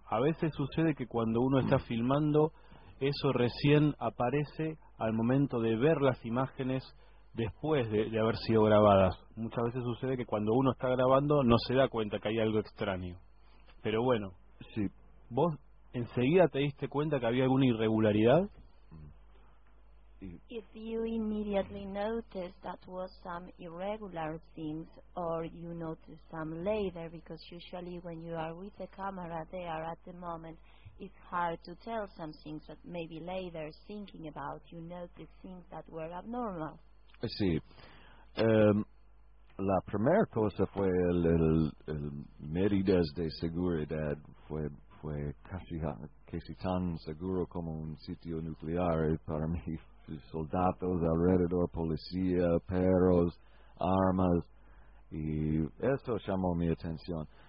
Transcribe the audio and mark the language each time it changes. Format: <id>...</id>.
<es>A veces sucede que cuando uno está filmando, eso recién aparece al momento de ver las imágenes después de haber sido grabadas. Muchas veces sucede que cuando uno está grabando no se da cuenta que hay algo extraño. Pero bueno, sí. ¿Vos enseguida te diste cuenta que había alguna irregularidad?</es> <en>If you immediately noticed that was some irregular things, or you noticed some later, because usually when you are with the camera there at the moment, it's hard to tell some things that maybe later thinking about you notice things that were abnormal.</en> <es>Sí. La primera cosa fue el medidas de seguridad fue casi tan seguro como un sitio nuclear para mí. Soldados alrededor, policía, perros, armas, y eso llamó mi atención.</es>